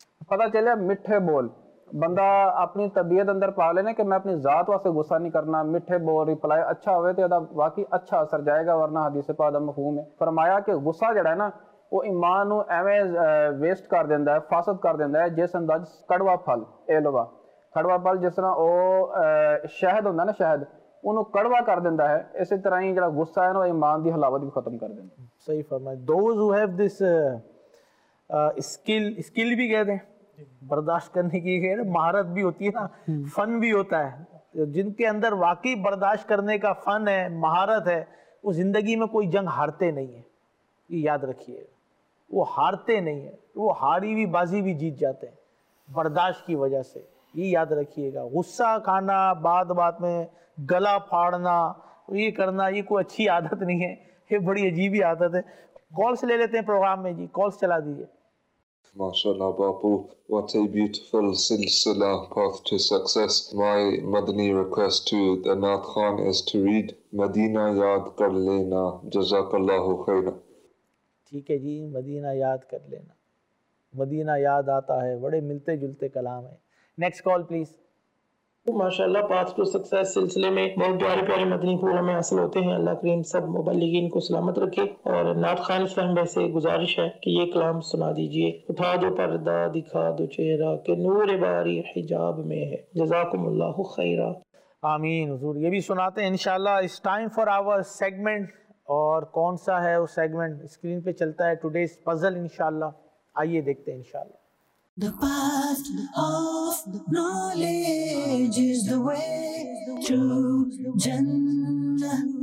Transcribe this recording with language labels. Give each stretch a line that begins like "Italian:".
Punjabi: ਪਤਾ ਚੱਲਿਆ ਮਿੱਠੇ ਬੋਲ ਬੰਦਾ ਆਪਣੀ ਤਬੀਅਤ ਅੰਦਰ ਪਾ ਲੈਣਾ ਕਿ ਮੈਂ ਆਪਣੀ ਜ਼ਾਤ ਵਾਸਤੇ ਗੁੱਸਾ ਨਹੀਂ ਕਰਨਾ ਮਿੱਠੇ ਬੋਲ ਰਿਪਲਾਈ ਅੱਛਾ ਹੋਵੇ ਤੇ ਉਹਦਾ ਵਾਕਈ ਅੱਛਾ ਅਸਰ ਜਾਏਗਾ ਵਰਨਾ ਹਦੀਸ ਪਾਕ ਦਾ ਮਫਹੂਮ ਹੈ ਫਰਮਾਇਆ ਕਿ ਗੁੱਸਾ ਜਿਹੜਾ ਹੈ ਨਾ ਉਹ ਇਮਾਨ ਨੂੰ ਐਵੇਂ ਵੇਸਟ ਕਰ ਦਿੰਦਾ ਹੈ ਫਾਸਦ ਕਰ ਦਿੰਦਾ ਹੈ ਜਿਸ ਅੰਦਾਜ਼ ਕੜਵਾ ਫਲ ਇਹ ਲਵਾ ਕੜਵਾ ਫਲ ਜਿਸ ਤਰ੍ਹਾਂ ਉਹ ਸ਼ਹਿਦ ਹੁੰਦਾ ਨਾ ਸ਼ਹਿਦ ਉਹਨੂੰ ਕੜਵਾ ਕਰ ਦਿੰਦਾ ਹੈ ਇਸੇ ਤਰ੍ਹਾਂ ਹੀ ਜਿਹੜਾ ਗੁੱਸਾ ਹੈ ਨਾ ਉਹ ਇਮਾਨ ਦੀ ਹਲਾਵਤ ਵੀ ਖਤਮ ਕਰ ਦਿੰਦਾ ਸਹੀ ਫਰਮਾਇਆ
English: those who have this skill skill
Punjabi: ਵੀ ਕਹਿ ਦੇ
Urdu: برداشت کرنے کی خیر مہارت بھی ہوتی ہے نا, فن بھی ہوتا ہے. جن کے اندر واقعی برداشت کرنے کا فن ہے, مہارت ہے, وہ زندگی میں کوئی جنگ ہارتے نہیں ہیں. یہ یاد رکھیے, وہ ہارتے نہیں ہیں, وہ ہاری ہوئی بازی بھی جیت جاتے ہیں برداشت کی وجہ سے. یہ یاد رکھیے گا, غصہ کھانا, بات بات میں گلا پھاڑنا, یہ کرنا, یہ کوئی اچھی عادت نہیں ہے, یہ بڑی عجیب ہی عادت ہے. کالس لے لیتے ہیں پروگرام میں, جی کالس چلا دیجیے.
English: MashaAllah Babu, what a beautiful silsila, path to success. My madani request to the Nath Khan is to read Madina Yaad Kar Lena. Jazakallahu khaira.
Urdu: Theek hai ji, Madina Yaad Kar Lena. Madina Yaad Aata Hai, Bade Milte Julte Kalam Hai. Next call please. ماشاءاللہ path to success سلسلے میں بہت پیارے پیارے مدنی خور ہمیں حاصل ہوتے ہیں. اللہ کریم سب مبلغین کو سلامت رکھے. اور نعت خان صاحب سے گزارش ہے کہ یہ کلام سنا دیجئے. اٹھا دو پردہ, دکھا دو چہرہ, کہ نور باری حجاب میں ہے. جزاکم اللہ خیرا. آمین حضور. یہ بھی سناتے ہیں انشاءاللہ. اس
English: time for our segment,
Urdu: اور کون سا ہے وہ سیگمنٹ؟ اسکرین پہ چلتا ہے ٹوڈیز پزل انشاءاللہ. آئیے دیکھتے ہیں انشاءاللہ.
English: The path of knowledge is the way to Jannah.